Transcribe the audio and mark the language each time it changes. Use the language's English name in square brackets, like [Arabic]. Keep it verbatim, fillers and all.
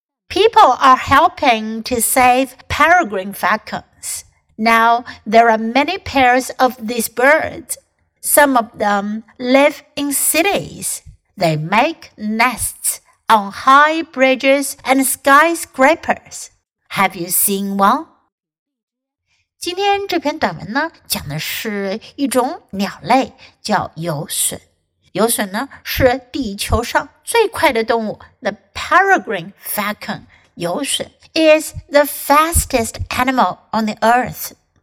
[English] People are helping to save peregrine falcons. Now there are many pairs of these birds. Some of them live in cities. They make nests on high bridges and skyscrapers. Have you seen one? [Chinese] 今天这篇短文呢，讲的是一种鸟类，叫游隼。游隼呢，是地球上最快的动物。 [English] The peregrine falcon, 游隼 is the fastest animal on the earth.